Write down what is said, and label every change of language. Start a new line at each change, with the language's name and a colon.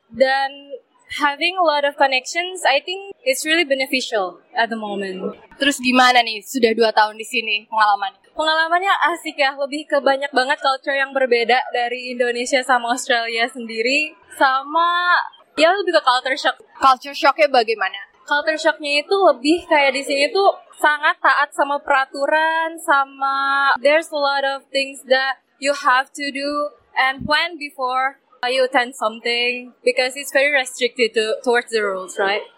English: Dan having a lot of connections, I think it's really beneficial at the moment.
Indonesian: Terus gimana nih, sudah 2 tahun di sini, pengalaman? Pengalamannya asik ya, lebih ke banyak banget culture yang berbeda dari Indonesia sama Australia sendiri. Sama, ya lebih ke culture shock. Culture shocknya bagaimana? Culture shocknya itu lebih kayak di sini tuh sangat taat sama peraturan, sama
English: there's a lot of things that you have to do and plan before you attend something because it's very restricted towards the rules, right?